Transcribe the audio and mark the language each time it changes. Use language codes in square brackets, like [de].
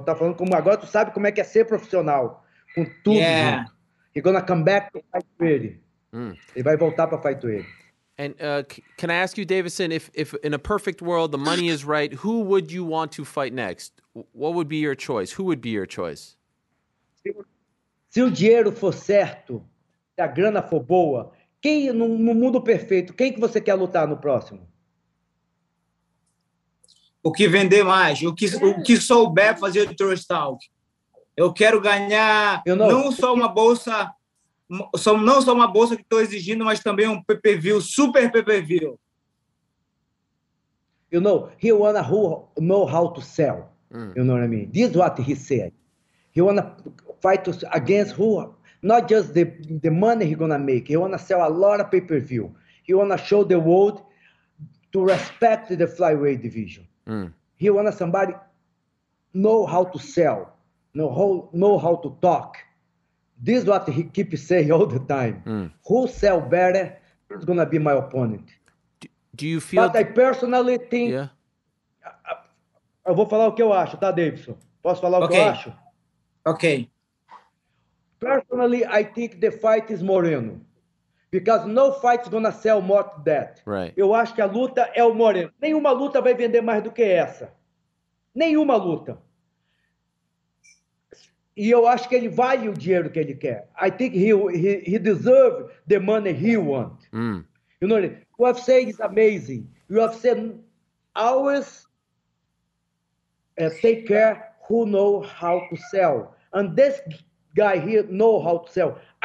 [pt] Tá falando como agora tu sabe como é que é ser profissional. Com tudo. [en] Yeah. He's gonna come back to fight with ele. [pt] Ele vai voltar para [en] fight with [pt] ele. [en] And can I ask you, Deiveson, if in a perfect world the money is right, who would you want to fight next? What would be your choice? Who would be your choice? [pt] Se o dinheiro for certo, se a grana for boa, quem no mundo perfeito, quem que você quer lutar no próximo? O que vender mais, o que souber fazer o trash talk. Eu quero ganhar não só uma bolsa que estou exigindo, mas também um PPV, um super PPV. [en] You know, he wanna who know how to sell. You know what I mean? This is what he said. He wanna fight against who, not just the money he's gonna make. He wanna sell a lot of pay-per-view. He wanna show the world to respect the flyweight division. He wanna somebody know how to sell, know how to talk. This is what he keeps saying all the time. Who sell better is gonna be my opponent. Do you feel... But I personally think... Yeah. [pt] Eu vou falar o que eu acho, tá, Deiveson? Posso falar o que eu acho? [en] Okay. Personally, I think the fight is Moreno. Because no fight is going to sell more than that. Right. [pt] Eu acho que a luta é o Moreno. Nenhuma luta vai vender mais do que essa. Nenhuma luta. E eu acho que ele vale o dinheiro que ele quer. [en] I think he deserves the money he wants. You know what I mean? UFC is amazing. UFC always take care who know how to sell. And this guy here know how to sell.